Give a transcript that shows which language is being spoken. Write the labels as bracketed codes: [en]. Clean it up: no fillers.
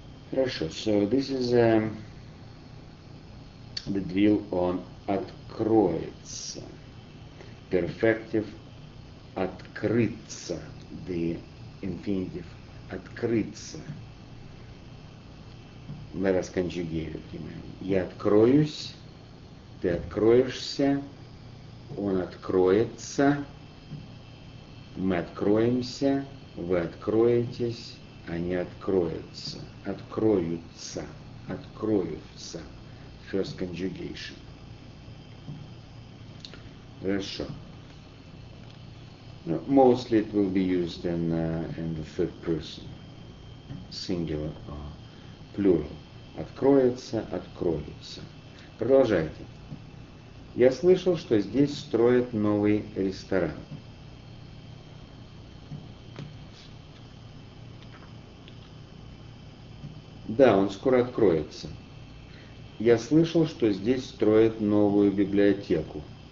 [ru] Хорошо, [en] so this is the drill on откроется. Perfective открыться. The infinitive открыться. Let us conjugate it. [ru] Я откроюсь. Ты откроешься. Он откроется. Мы откроемся. Вы откроетесь. Они откроются. Откроются. Откроются. [en] First conjugation. [ru] Хорошо. [en] No, mostly it will be used in the third person, singular or plural. [ru] Откроется, откроется. Продолжайте. Я слышал, что здесь строят новый ресторан. Да, он скоро откроется. Я слышал, что здесь строят новую библиотеку.